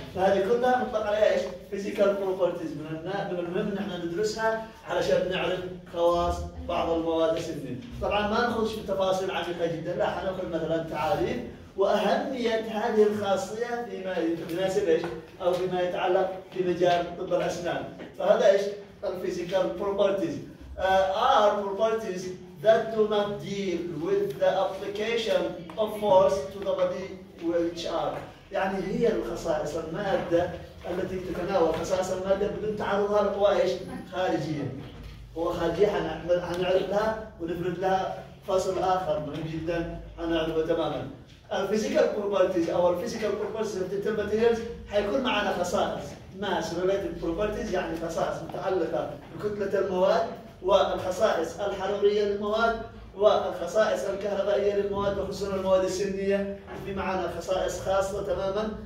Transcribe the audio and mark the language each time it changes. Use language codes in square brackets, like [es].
[ar] فهذه كلها نطلق عليها ايش؟ فيزيكال بروبرتيز. من المهم ان احنا ندرسها علشان نعرف خواص بعض المواد السنية. طبعا ما نخش في تفاصيل عميقة جدا، لا، حنأخذ مثلا تعاليم وأهمية هذه الخاصية فيما يناسب ايش؟ أو فيما يتعلق بمجال طب الأسنان. فهذا ايش؟ الفيزيكال بروبرتيز. [en] Are properties that do not deal with the application of force to the body which are. [ar] يعني هي الخصائص المادة التي تتناول خصائص المادة بدون تعرضها لقوى ايش؟ خارجية. قوى خارجية حنعرف لها ونفرد لها فصل آخر مهم جدا حنعرفه تماما. الفيزيكال بروبرتيز أو الفيزيكال بروبرتيز في الماتيريالز حيكون معنا خصائص ماس ريليتد بروبرتيز، يعني خصائص متعلقة بكتلة المواد والخصائص الحرارية للمواد والخصائص الكهربائية للمواد وخصوصا المواد السنية، بمعنى خصائص خاصة تماما.